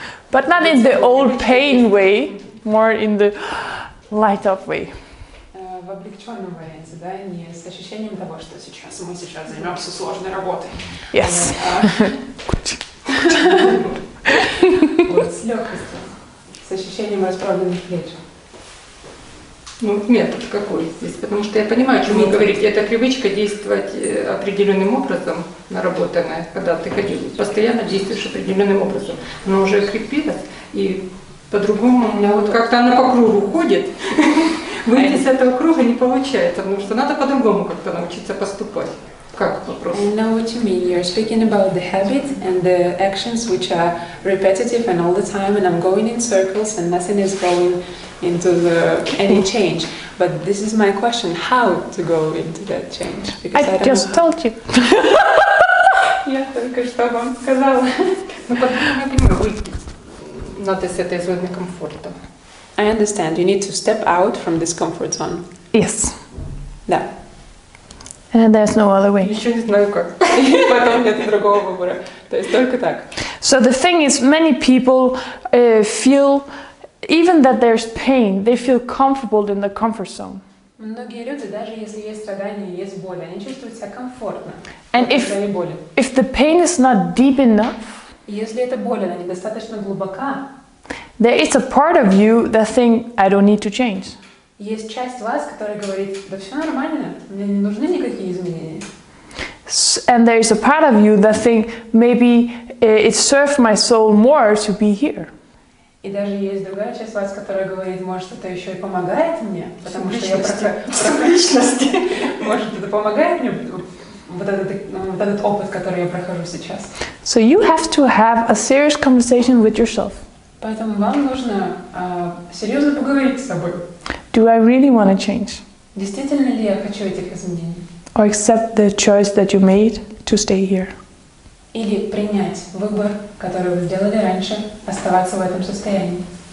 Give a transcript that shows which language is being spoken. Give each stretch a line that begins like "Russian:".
English: But not in the old pain way, more in the light up way.
Russian: В облегченном варианте, да, не с ощущением того, что сейчас мы сейчас займемся сложной работой.
English: Yes.
Russian: Вот с легкостью. с ощущением расправленных плеч. Ну, метод какой здесь? Потому что я понимаю, о чем вы говорите. Это привычка действовать определенным образом, наработанная, когда ты ходил. Постоянно действуешь определенным образом. Но уже крепилась, и по-другому у меня вот как-то она по кругу ходит. Выйти с этого круга не получается, потому что надо по-другому как-то научиться поступать. Как вопрос?
English: I know what you mean. You're speaking about the habits and the actions which are repetitive and all the time, and I'm going in circles and nothing is going into the any change. But this is my question: how to go into that change? Because I just told you.
Russian: Я только что вам сказала. Ну потому что выйти надо с этой зоны комфорта.
English: I understand. You need to step out from this comfort zone. Yes.
Russian: Да.
English: And there's no other way.
Russian: Еще не знаю как. Потом нет другого выбора. То есть только так.
English: So the thing is, many people feel, even that there's pain, they feel comfortable in the comfort zone.
Russian: Многие люди, даже если есть страдания, есть боль, они чувствуют себя комфортно.
English: And if the pain is not deep enough,
Russian: если эта боль, она недостаточно глубока,
English: there is a part of you that think I don't need to change.
Russian: Есть часть вас, которая говорит: да все нормально, мне не нужны никакие изменения.
English: And there is a part of you that think maybe it served my soul more to be here.
Russian: И даже есть другая часть вас, которая говорит: может, это еще и помогает мне, потому что я личности. Может, это помогает мне вот этот опыт, который я прохожу сейчас.
English: So you have to have a serious conversation with yourself.
Russian: Поэтому вам нужно серьезно поговорить с собой.
English: Do I really want to change?
Russian: Действительно ли я хочу этих изменений?
English: Or accept the choice that you made to stay here?
Russian: Или принять выбор, который вы сделали раньше, оставаться в этом состоянии?